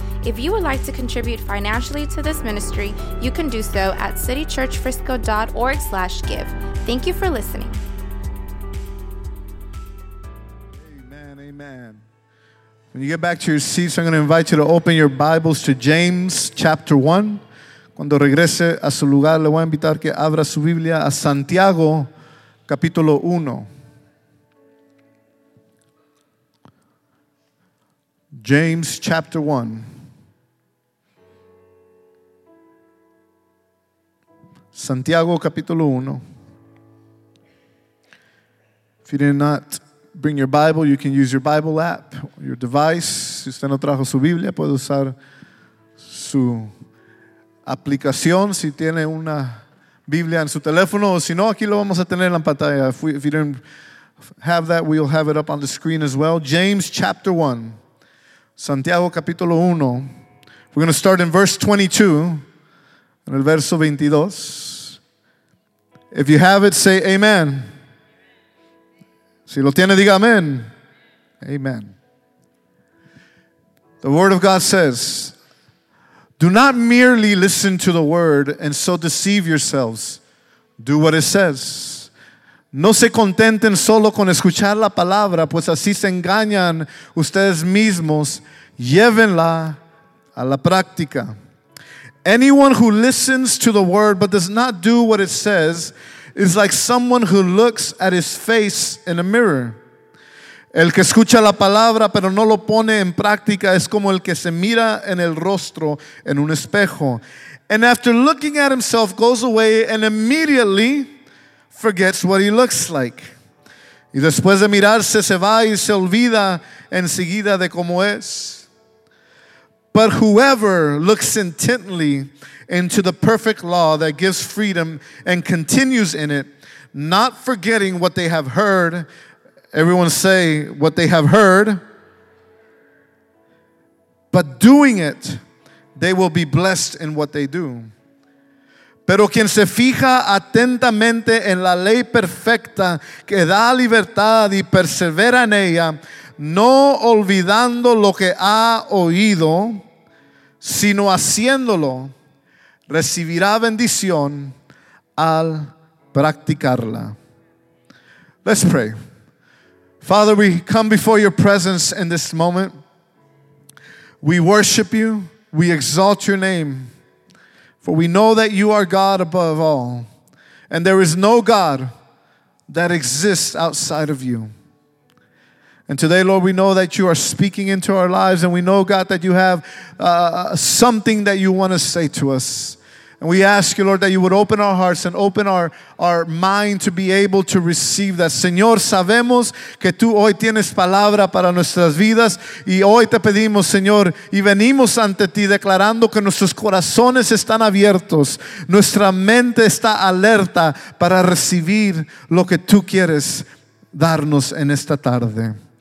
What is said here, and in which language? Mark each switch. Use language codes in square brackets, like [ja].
[en] If you would like to contribute financially to this ministry, you can do so at citychurchfrisco.org/give. Thank you for listening. Amen, amen. When you get back to your seats, I'm going to invite you to open your Bibles to James chapter 1. [es] Cuando regrese a su lugar, le voy a invitar que abra su Biblia a Santiago capítulo 1. [en] James chapter 1. [es] Santiago capítulo 1. [en] If you did not bring your Bible, you can use your Bible app, your device. [es] Si usted no trajo su Biblia, puede usar su aplicación. Si tiene una Biblia en su teléfono, o si no, aquí lo vamos a tener en la pantalla. [en] If you didn't have that, we'll have it up on the screen as well. James chapter 1. [es] Santiago capítulo 1. [en] We're going to start in verse 22. [es] En el verso 22. [en] If you have it, say amen. [es] Si lo tiene, diga amen. [en] Amen. The word of God says, do not merely listen to the word and so deceive yourselves. Do what it says. [es] No se contenten solo con escuchar la palabra, pues así se engañan ustedes mismos. Llévenla a la práctica. [en] Anyone who listens to the word but does not do what it says is like someone who looks at his face in a mirror. [es] El que escucha la palabra pero no lo pone en práctica es como el que se mira en el rostro en un espejo. [en] And after looking at himself goes away and immediately forgets what he looks like. [es] Y después de mirarse se va y se olvida enseguida de cómo es. [en] But whoever looks intently into the perfect law that gives freedom and continues in it, not forgetting what they have heard. Everyone say what they have heard. But doing it, they will be blessed in what they do. [es] Pero quien se fija atentamente en la ley perfecta que da libertad y persevera en ella, no olvidando lo que ha oído, sino haciéndolo, recibirá bendición al practicarla. [en] Let's pray. Father, we come before your presence in this moment. We worship you. We exalt your name. For we know that you are God above all. And there is no God that exists outside of you. And today, Lord, we know that you are speaking into our lives. And we know, God, that you have something that you want to say to us. And we ask you, Lord, that you would open our hearts and open our mind to be able to receive that. [es] Señor, sabemos que tú hoy tienes palabra para nuestras vidas. Y hoy te pedimos, Señor, y venimos ante ti declarando que nuestros corazones están abiertos. Nuestra mente está alerta para recibir lo que tú quieres darnos en esta tarde.